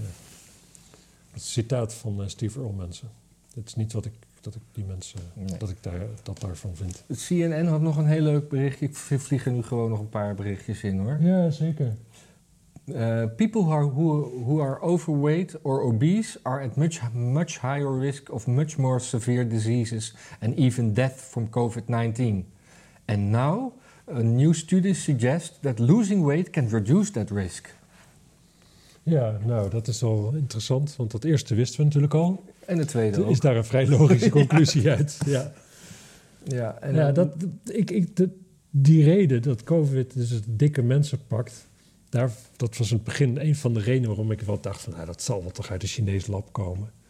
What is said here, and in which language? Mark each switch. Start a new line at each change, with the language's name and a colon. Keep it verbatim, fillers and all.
Dutch: Dat is een citaat van uh, Steve Earle, mensen. Het is niet wat ik, dat ik die mensen... Nee. Dat ik daar, dat daarvan vind. Het C N N had nog een heel leuk berichtje. Ik vlieg er nu gewoon nog een paar berichtjes in, hoor. Ja, zeker.
English: Uh, people who are, who are overweight or obese are at much, much higher risk of much more severe diseases and even death from covid nineteen. And now, a new study suggests that losing weight can reduce that risk.
Dutch: Ja, nou, dat is al interessant, want dat eerste wisten we natuurlijk al. En de tweede ook. Is daar een vrij logische conclusie ja. uit. Ja, ja, en ja dat, ik, ik, de, die reden dat COVID dus het dikke mensen pakt... Daar, dat was in het begin een van de redenen waarom ik wel dacht van... Nou, dat zal wel toch uit een Chinees lab komen.